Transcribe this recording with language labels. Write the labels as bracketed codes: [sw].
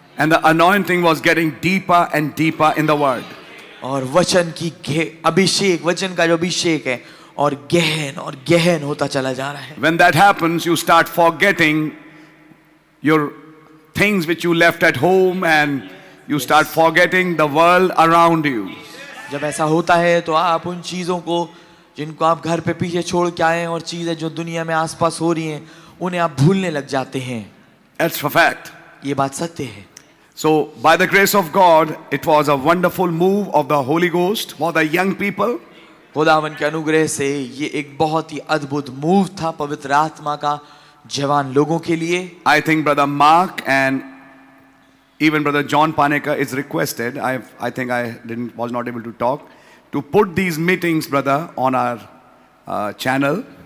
[en] And the anointing was getting deeper and deeper in the word. [hi] और वचन की अभिषेक, वचन का जो अभिषेक है, और गहन होता चला जा रहा है. [en] When that happens, you start forgetting your things which you left at home, and you yes. start forgetting the world around you. [hi] जब ऐसा होता है, तो आप उन चीजों को जिनको आप घर पे पीछे छोड़ के आए हैं और चीजें जो दुनिया में आसपास हो रही हैं, उन्हें आप भूलने लग जाते हैं. [en] That's a fact. [hi] ये बात सत्य है. [en] So, by the grace of God, it was a wonderful move of the Holy Ghost for the young people. [hi] खुदावन के अनुग्रह से ये एक बहुत ही अद्भुत मूव था पवित्र आत्मा का जवान लोगों के लिए. [en] I think brother Mark and even brother John Paneker is requested. I was not able to talk to put these meetings, brother, on our channel.